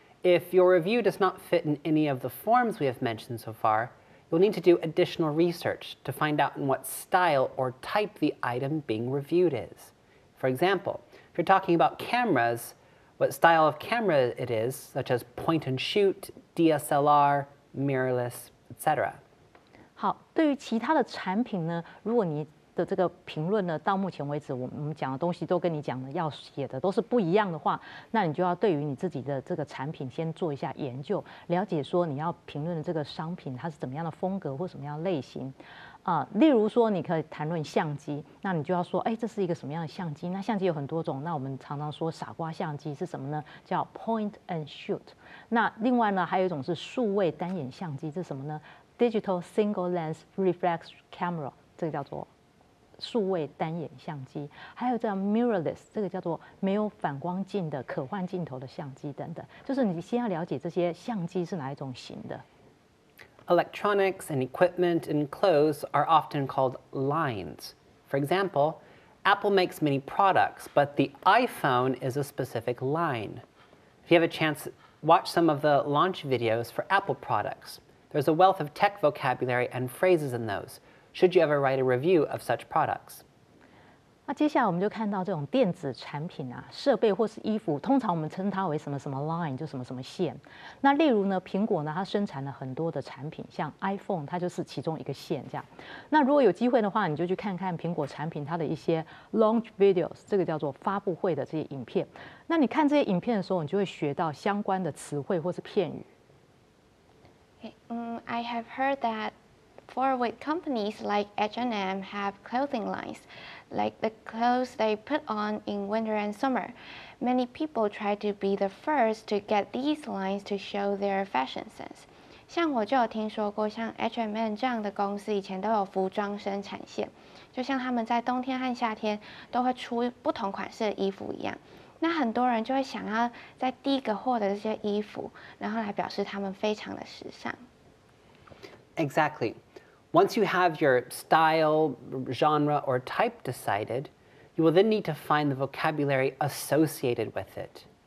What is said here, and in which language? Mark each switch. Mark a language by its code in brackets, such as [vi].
[en] If your review does not fit in any of the forms we have mentioned so far, you'll need to do additional research to find out in what style or type the item being reviewed is. For example, if you're talking about cameras, what style of camera it is, such as point and shoot, DSLR, mirrorless, etc. [zh] 好，对于其他的产品呢，如果你的这个评论呢，到目前为止我们讲的东西都跟你讲的要写的都是不一样的话，那你就要对于你自己的这个产品先做一下研究，了解说你要评论的这个商品它是怎么样的风格或什么样的类型。例如说你可以谈论相机，那你就要说，哎，这是一个什么样的相机？那相机有很多种，那我们常常说傻瓜相机是什么呢？ [en] 叫 point and shoot。 [zh] 那另外呢，还有一种是数位单眼相机，这是什么呢？ Digital single lens reflex camera， 这个叫做数位单眼相机，还有叫 mirrorless， 这个叫做没有反光镜的可换镜头的相机等等。就是你先要了解这些相机是哪一种型的。 [en] Electronics and equipment and clothes are often called lines. For example, Apple makes many products, but the iPhone is a specific line. If you have a chance, watch some of the launch videos for Apple products. There's a wealth of tech vocabulary and phrases in those. Should you ever write a review of such products? [zh] 那接下来我们就看到这种电子产品啊，设备或是衣服，通常我们称它为什么什么 line， 就什么什么线。那例如呢，苹果呢，它生产了很多的产品，像 iPhone， 它就是其中一个线这样。那如果有机会的话，你就去看看苹果产品它的一些 launch videos， 这个叫做发布会的这些影片。那你看这些影片的时候，你就会学到相关的词汇或是片语。 [en] I have heard that for with companies like H&M have clothing lines, like the clothes they put on in winter and summer. Many people try to be the first to get these lines to show their fashion sense. [zh] 像我就有听说过，像 H&M 这样的公司以前都有服装生产线，就像他们在冬天和夏天都会出不同款式的衣服一样。那很多人就会想要在第一个获得这些衣服，然后来表示他们非常的时尚。 [en] Exactly. Once you have your style, genre, or type decided, you will then need to find the vocabulary associated with it.